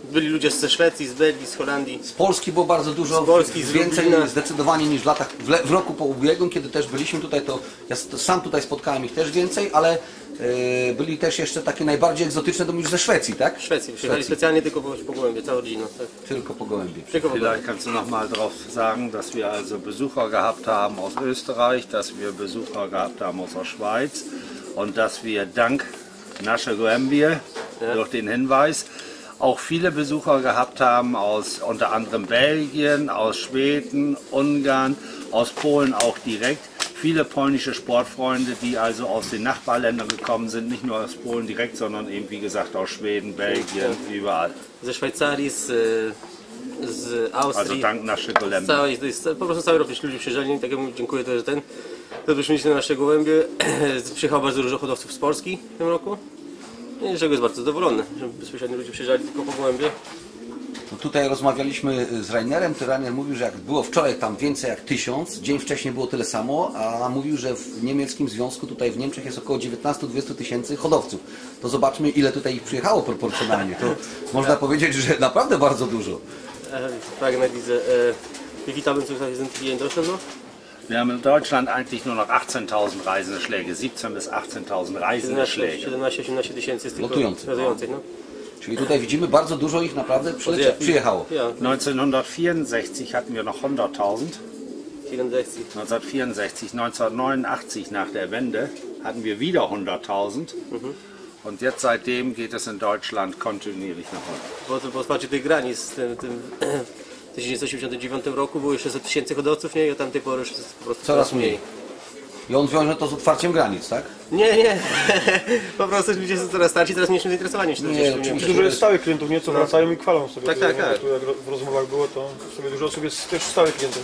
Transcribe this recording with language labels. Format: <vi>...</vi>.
<pl>Byli ludzie ze Szwecji, z Belgii, z Holandii. Z Polski było bardzo dużo, z Polski, więcej z zdecydowanie niż w latach, w roku po ubiegłym, kiedy też byliśmy tutaj, to ja sam tutaj spotkałem ich też więcej, ale byli też jeszcze takie najbardziej egzotyczne, to już ze Szwecji, tak? Szwecji, przyjechali specjalnie tylko po gołębie, cała rodzina. Tak? Tylko po gołębie.</pl> <de>Vielleicht kannst du nochmal drauf sagen, dass wir also Besucher gehabt haben aus Österreich, dass wir Besucher gehabt haben aus der Schweiz. Und dass wir dank Nasche Gambier, ja, durch den Hinweis auch viele Besucher gehabt haben aus unter anderem Belgien, aus Schweden, Ungarn, aus Polen auch direkt. Viele polnische Sportfreunde, die also aus den Nachbarländern gekommen sind, nicht nur aus Polen direkt, sondern eben wie gesagt aus Schweden, Belgien, ja, überall.</de> <pl>Ze Szwajcaris, z Austrii.</pl> <de>Also dank Nasche Gambier.</de> <pl>Po prostu cały rok ludzie przyjeżdżali, tak jak mówię, dziękuję też ten. Dobrze, myślę, na nasze gołębie. Przyjechało bardzo dużo hodowców z Polski w tym roku. I czego jest bardzo zadowolony, że bezpośrednio ludzie przyjeżdżali tylko po gołębie. No tutaj rozmawialiśmy z Rainerem, to Rainer mówił, że jak było wczoraj tam więcej jak 1000, dzień wcześniej było tyle samo, a mówił, że w niemieckim związku tutaj w Niemczech jest około 19-20 tysięcy hodowców. To zobaczmy, ile tutaj ich przyjechało proporcjonalnie. To można powiedzieć, że naprawdę bardzo dużo. Tak, widzę. Witamy w Zentrum.</pl> <de>Wir haben in Deutschland eigentlich nur noch 18.000 Reiseschläge, 17 bis 18.000 Reiseschläge.</de> <pl>17-18 tysięcy jest tylko lotujących. No. Czyli tutaj widzimy, bardzo dużo ich naprawdę przyjechało.</pl> <de>1964 hatten wir noch 100.000. 1964, 1989 nach der Wende hatten wir wieder 100.000. Und jetzt seitdem geht es in Deutschland kontinuierlich nach unten. Was macht ihr die Grenze?</de> <pl>W 1989 roku było jeszcze 100 tysięcy hodowców, nie? I od tamtej pory już jest po prostu coraz mniej. I on wiąże to z otwarciem granic, tak? Nie, nie. Po prostu ludzie są coraz starsi, teraz mieliśmy zainteresowanie się. Ci, którzy stałych klientów, nieco wracają i chwalą sobie. Tak, tak, tak. Jak w rozmowach było, to sobie dużo osób jest też stałych klientów.</pl>